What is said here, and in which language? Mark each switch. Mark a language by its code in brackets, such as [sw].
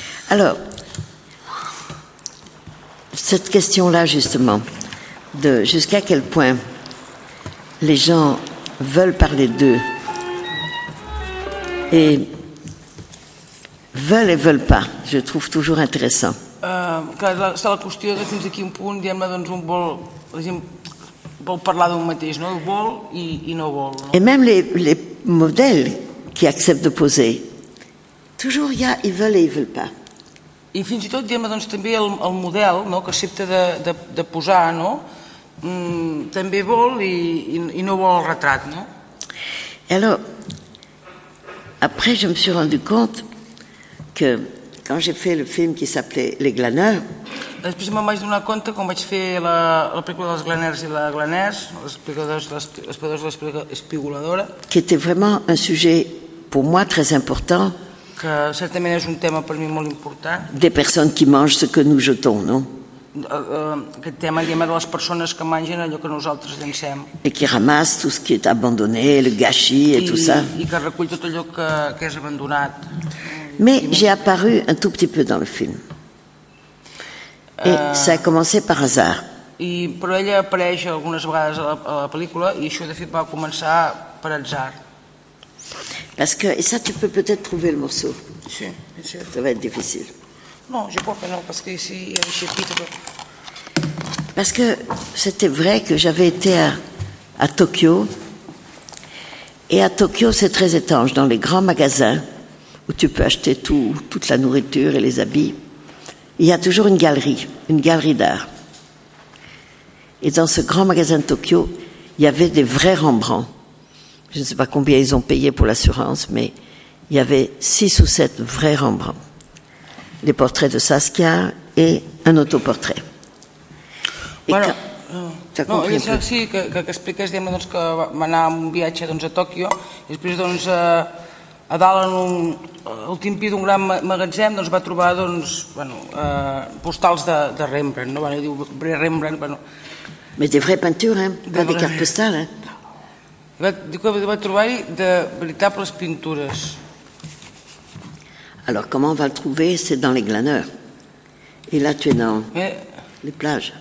[fr] Alors, cette question-là, justement, de jusqu'à quel point les gens veulent parler d'eux et veulent et veulent pas, je trouve toujours intéressant. [ca] C'est la qüestió de fins a quin punt, diguem-ne, doncs on vol, la gent vol parlar d'un mateix, no? Vol i no vol. No? [fr] Et même les modèles qui acceptent de poser, toujours [ca] hi ha, [fr] ils veulent et ils veulent pas. [ca] I fins i tot, diguem-ne, doncs també el model, no?, que accepta de posar, no?, també vol i no vol el retrat, no? [fr] Et alors, après je me suis rendu compte que quand j'ai fait le film qui s'appelait Les Glaneurs. [ca] Després me'n vaig donar compte quan vaig fer la pel·lícula dels Glaneurs i la Glaners, els pecadors de l'espigoladora. [fr] Que était vraiment un sujet pour moi très important. [ca] Que certament és un tema per mi molt important. [fr] Des personnes qui mangent ce que nous jetons, non? [ca] Aquest tema, diguem-ne, de les persones que mengen allò que nosaltres llencem. [fr] Et qui ramasse tout ce qui est abandonné, le gâchis et tout ça. [ca] I que recull tot allò que és abandonat. [fr] Mais j'ai apparu un tout petit peu dans le film. Et ça a commencé par hasard. [ca] I, però ella apareix algunes vegades a la pel·lícula i això de fet va començar per atzar. [fr] Parce que, et ça tu peux peut-être trouver le morceau. [ca] Sí, [fr] c'est sûr. Ça va être difficile. Non, je crois que non, parce que ici il y a un chapitre. Parce que c'était vrai que j'avais été à Tokyo. Et à Tokyo c'est très étrange, dans les grands magasins, où tu peux acheter toute la nourriture et les habits, il y a toujours une galerie d'art. Et dans ce grand magasin de Tokyo, il y avait des vrais Rembrandt. Je ne sais pas combien ils ont payé pour l'assurance, mais il y avait 6 ou 7 vrais Rembrandt. Les portraits de Saskia et un autoportrait. [ca] Que expliques, diguem-ne, doncs, que va anar en un viatge, doncs, a Tokyo, i després, doncs, a dalt, en un últim pis d'un gran magatzem, doncs va trobar, doncs, bueno, postals de Rembrandt, no? Bueno, diu Rembrandt, bueno. [fr] Mais des vraies peintures, hein? Pas des cartes postales, hein? [ca] Diu que va trobar-hi de veritables pintures. [fr] Alors, comment on va le trouver? C'est dans les glaneurs. Et là, tu es dans les plages.